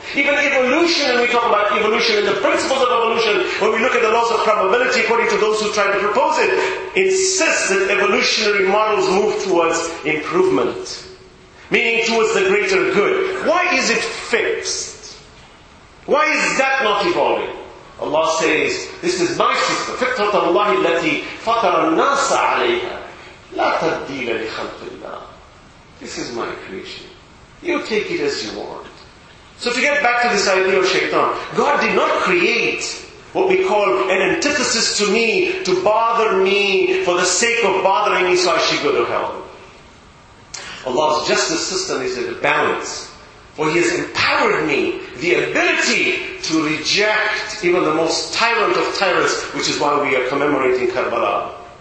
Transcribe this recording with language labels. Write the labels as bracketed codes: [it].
[en] Even evolution, when we talk about evolution and the principles of evolution, when we look at the laws of probability according to those who try to propose it, insists that evolutionary models move towards improvement, meaning towards the greater good. Why is it fixed? Why is that not evolving? Allah says, this is my system. [ar] فطرة الله التي فطر الناس عليها لا تبديل لخلق الله. [en] This is my creation. You take it as you want. So to get back to this idea of shaitan, God did not create what we call an antithesis to me to bother me for the sake of bothering me so I should go to hell. Allah's justice system is in balance. For He has empowered me the ability to reject even the most tyrant of tyrants, which is why we are commemorating Karbala.